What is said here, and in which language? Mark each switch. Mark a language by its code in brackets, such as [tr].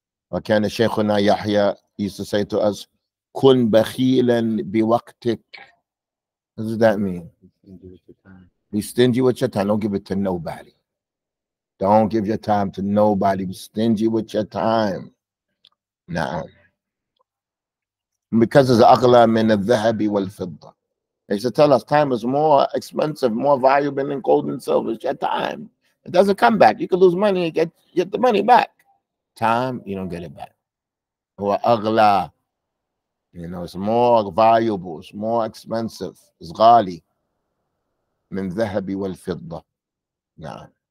[ar] وكان شيخنا يحيى [en] used to say to us, [ar] كن بخيلا بوقتك. [en] What does that mean? Be stingy with your time. Don't give it to nobody. Don't give your time to nobody. Be stingy with your time. نعم. Because it's [ar] أغلى من الذهب والفضة. [en] He used to tell us, time is more expensive, more valuable than gold and silver. It's your time. It doesn't come back. You could lose money and get the money back. Time, you don't get it back. [ar] هو أغلى. [en] You know, it's more valuable, it's more expensive, it's [ar] غالي من ذهب والفضة. [en] نعم.